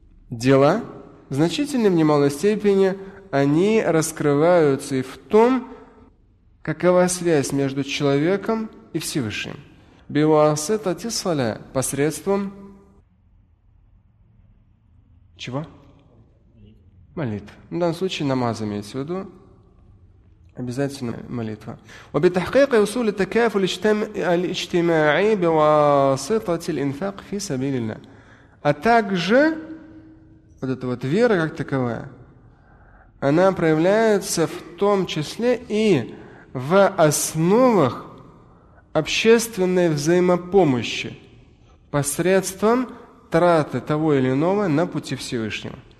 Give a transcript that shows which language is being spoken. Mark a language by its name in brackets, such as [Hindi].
[Russian] Дела в значительной, в немалой степени, они раскрываются и в том, какова связь между человеком и Всевышним. [Arabic] بِوَاسَطَةِ الصَّلَاةِ. [Russian] Посредством чего? Молитв. В данном случае намаз имеется в виду. Обязательно молитва. [Arabic] وبتحقيق وصول التكافل الاجتماعي بواسطة الإنفاق في سبيل الله. [Russian] А также вот эта вот вера как таковая, она проявляется в том числе и в основах общественной взаимопомощи посредством траты того или иного на пути Всевышнего.